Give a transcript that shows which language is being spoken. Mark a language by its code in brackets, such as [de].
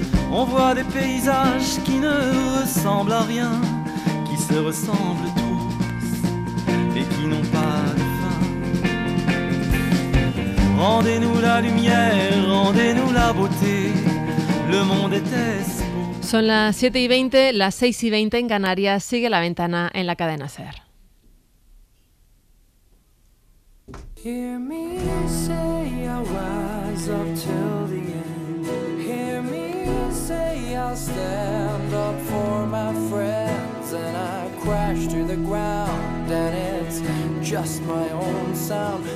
[fr] On voit des paysages qui ne ressemblent à rien, qui se ressemblent tous et qui n'ont pas de fin. Rendez-nous la lumière, rendez-nous la beauté, le monde est-ce beau. [es] Son las 7 y 20, las 6 y 20 en Canarias, sigue La Ventana en la cadena SER. [en] Hear me say I was up till the end. Hear me say I'll stand up for my friends. And I crash to the ground and it's just my own sound.